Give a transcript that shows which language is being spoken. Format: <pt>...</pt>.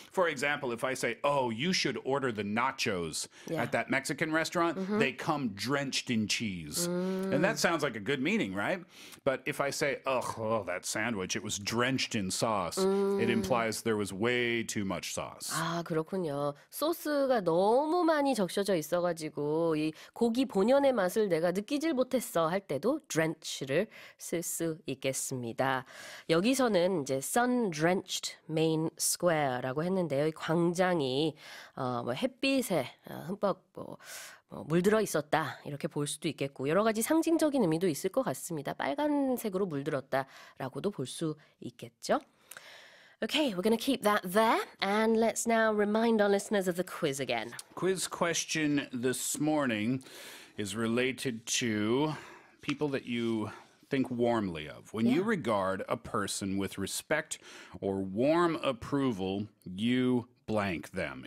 <en>For example, if I say, oh, you should order the nachos at that Mexican restaurant, they come drenched in cheese. And that sounds like a good meaning, right? But if I say, oh, that sandwich, it was drenched in sauce, it implies there was way too much sauce.</en> <ko>아, 그렇군요. 소스가 너무 많이 적셔져 있어가지고 이 고기 본연의 맛을 내가 느끼질 못했어 할 때도 drench를 쓸 수 있겠습니다. 여기서는 이제</ko> <en>sun-drenched main square</en> <ko>라고 했는데요. 이 광장이 뭐 햇빛에 흠뻑 뭐 물들어 있었다 이렇게 볼 수도 있겠고 여러 가지 상징적인 의미도 있을 것 같습니다. 빨간색으로 물들었다라고도 볼 수 있겠죠.</ko> <en>Okay, we're going to keep that there, and let's now remind our listeners of the quiz again. Quiz question this morning is related to people that you think warmly of. When you regard a person with respect or warm approval, you blank them.</en>